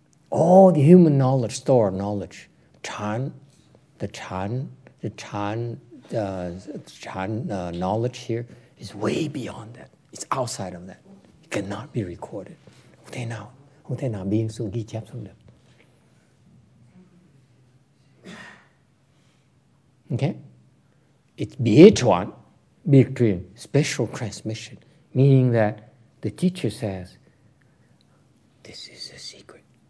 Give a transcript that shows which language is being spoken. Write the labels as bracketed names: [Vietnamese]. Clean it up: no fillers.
[English] All the human knowledge, store of knowledge, Chan knowledge here is way beyond that. It's outside of that. It cannot be recorded. [Vietnamese] Không thể nào biên xuống ghi chép xuống được. [English] Okay? It's biệt truyền, special transmission, meaning that the teacher says, this is a secret.